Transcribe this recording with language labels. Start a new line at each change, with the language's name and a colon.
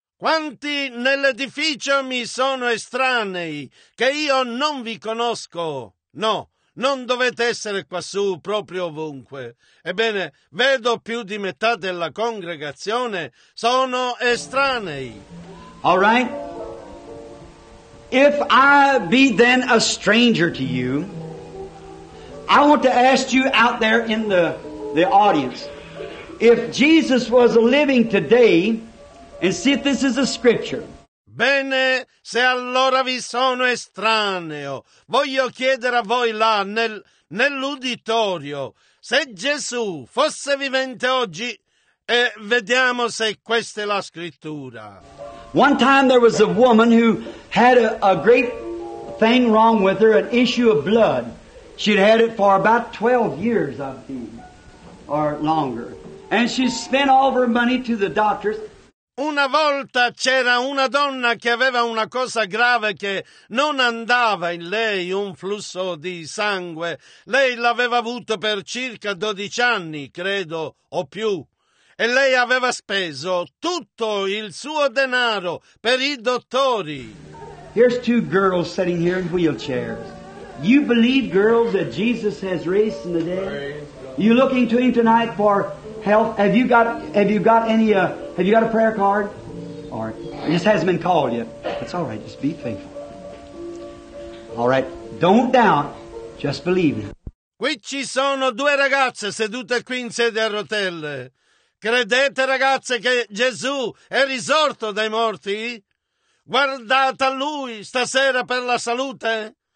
Italian: Quanti nell'edificio mi sono estranei che io non vi conosco? No, non dovete essere quassù, proprio ovunque. Ebbene, vedo più di metà della congregazione sono estranei.
English: All right. If I be then a stranger to you, I want to ask you out there in the audience, if Jesus was living today, and see if this is a scripture.
Italian: Bene, se allora vi sono estraneo, voglio chiedere a voi là nell'uditorio, se Gesù fosse vivente oggi, vediamo se questa è la scrittura.
English: One time there was a woman who had a great thing wrong with her, an issue of blood. She'd had it for about 12 years, I think, or longer. And she spent all of her money to the doctors.
Italian: Una volta c'era una donna che aveva una cosa grave che non andava in lei, un flusso di sangue. Lei l'aveva avuto per circa 12 anni, credo, o più. E lei aveva speso tutto il suo denaro per i dottori.
English: Here's two girls sitting here in wheelchairs. You believe, girls, that Jesus has raised from the dead? You looking to him tonight for health? Have you got a prayer card? All right. It just hasn't been called yet. That's all right. Just be faithful. All right. Don't doubt. Just believe him.
Italian: Qui ci sono due ragazze sedute qui in sede a rotelle. Credete, ragazze, che Gesù è risorto dai morti? Guardate a Lui stasera per la salute?